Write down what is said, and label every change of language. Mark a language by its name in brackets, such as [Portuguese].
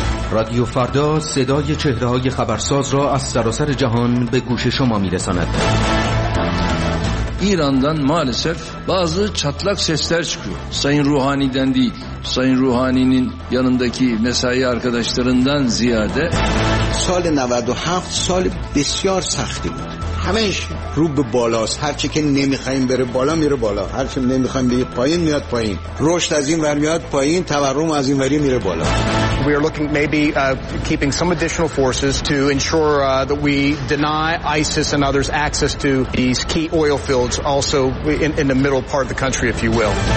[Persian] رادیو فردا صدای چهره‌های خبرساز را از سراسر جهان به گوش شما می‌رساند. [Turkish] ایراندن maalesef bazı çatlak sesler çıkıyor. Sayın Ruhani'den değil, Sayın Ruhani'nin yanındaki mesai arkadaşlarından ziyade [Persian] سال 97 سال بسیار سختی بود. همش رو به بالاست. هر چی که نمی‌خوایم بره بالا میره بالا. هر چی نمی‌خوایم بیاد پایین میاد پایین. رشد از این ور میاد پایین، تورم از این وری میره بالا. [English] We are looking maybe keeping some additional forces to ensure that we deny ISIS and others access to these key oil fields also in the middle part of the country, if you will.